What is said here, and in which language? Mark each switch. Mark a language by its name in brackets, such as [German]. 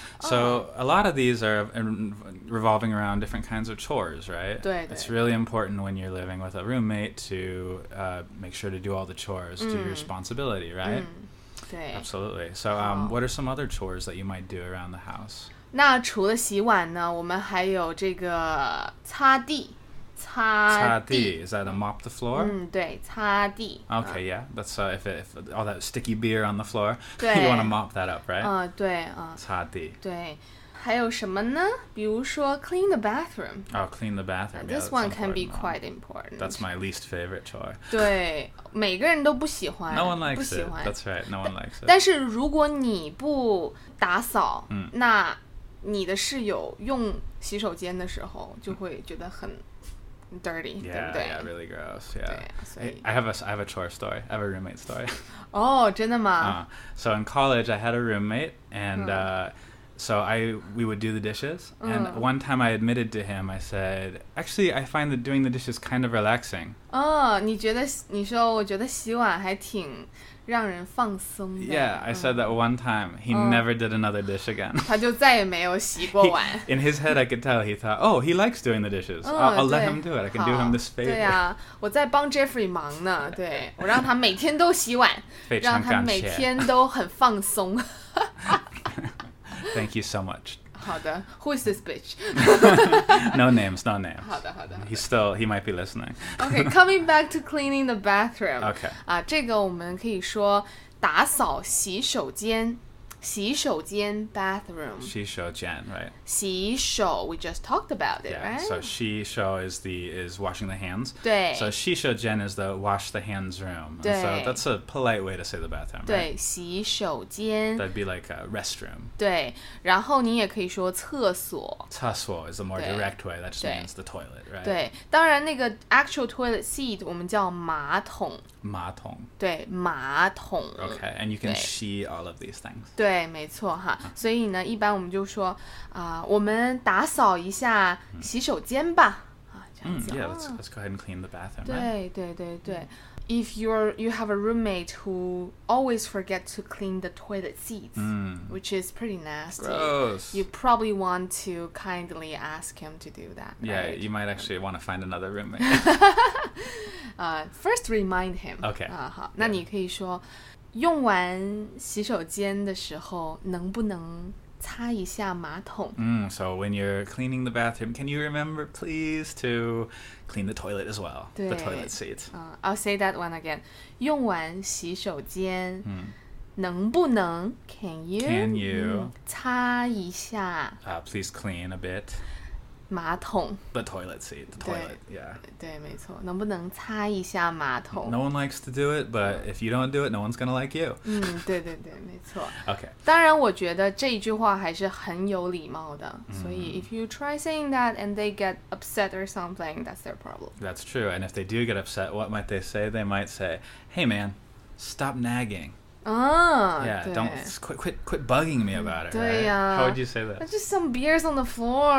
[English] So a lot of these are revolving around different kinds of chores, right? It's really important when you're living with a roommate to make sure to do all the chores, do your responsibility, right? Absolutely. So what are some other chores that you might do around the house? [Chinese] 那除了洗碗呢,我们还有这个擦地。 [English] 擦地, is that a mop the floor? [Chinese] 对,擦地。 [English] Okay, yeah, that's if all that sticky beer on the floor, you want to mop that up, right? [Chinese] 对, 擦地。对,还有什么呢?比如说 [English] clean the bathroom. Oh, clean the bathroom, this one can be quite important. That's my least favorite chore. [Chinese] 对,每个人都不喜欢。 [English] No one likes it, that's right, no one likes it. [Chinese] 但是如果你不打扫,那你的室友用洗手间的时候就会觉得很dirty, [English] yeah, [Chinese] 对不对? [English] Yeah, really gross. Yeah, I have a chore story. I have a roommate story. [Chinese] Oh, 真的吗? [English] So in college, I had a roommate, and so we would do the dishes. And one time, I admitted to him, I said, "Actually, I find that doing the dishes kind of relaxing." [Chinese] Oh, 你说我觉得洗碗还挺让人放松的。 [English] Yeah, I said that one time. He never did another dish again. [Chinese] 他就再也没有洗过碗。 [English] In his head, I could tell he thought, oh, he likes doing the dishes. I'll let him do it. I can do him this favor. [Chinese] 对啊，我在帮 Jeffrey 忙呢。对，我让他每天都洗碗，让他每天都很放松。 [English] Thank you so much. [Chinese] 好的 [English] ，Who is this bitch? No names, no names. [Chinese] 好的，好的。 [English] He might be listening. Okay, coming back to cleaning the bathroom. Okay. [Chinese] 这个我们可以说打扫洗手间，洗手间 bathroom. 洗手间 right? [English] 洗手 we just talked about it, yeah, right? So 洗手 is washing the hands. [Chinese] 对。 [English] So 洗手间 is the wash the hands room. [Chinese] 对。 [English] So that's a polite way to say the bathroom. [Chinese] 对， [English] right? [Chinese] 洗手间。 [English] That'd be like a restroom. [Chinese] 对，然后你也可以说厕所。 [English] 厕所 is a more direct way. That just means the toilet, right? [Chinese] 对，当然那个 [English] actual toilet seat [Chinese] 我们叫马桶。马桶。对，马桶。 [English] Okay, and you can 洗 all of these things. [Chinese] 对，没错哈。所以呢，一般我们就说我们打扫一下洗手间吧。 [English] Yeah, let's go ahead and clean the bathroom. [Chinese] 对对对对。 [English] If you have a roommate who always forget to clean the toilet seats, which is pretty nasty, gross. You probably want to kindly ask him to do that. Yeah, right? You might actually want to find another roommate. first, remind him. Okay. [Chinese] 好，那你可以说，用完洗手间的时候，能不能擦一下马桶。 [English] So when you're cleaning the bathroom, can you remember please to clean the toilet as well? The toilet seat. I'll say that one again. [Chinese] 用完洗手间，能不能 [English] can you [Chinese] 擦一下？ [English] Please clean a bit. [Chinese] 马桶。 [English] The toilet seat. The toilet. [Chinese] 对， [English] yeah. [Chinese] 对，没错。能不能擦一下马桶？ [English] No one likes to do it, but if you don't do it, no one's gonna like you. [Chinese] 对对对，没错。 [English] Okay. [Chinese] 当然，我觉得这句话还是很有礼貌的。所以 [English] if you try saying that and they get upset or something, that's their problem. That's true. And if they do get upset, what might they say? They might say, "Hey, man, stop nagging." Quit bugging me about it. [Chinese] 对呀、啊 [English] right? How would you say that? Just some beers on the floor.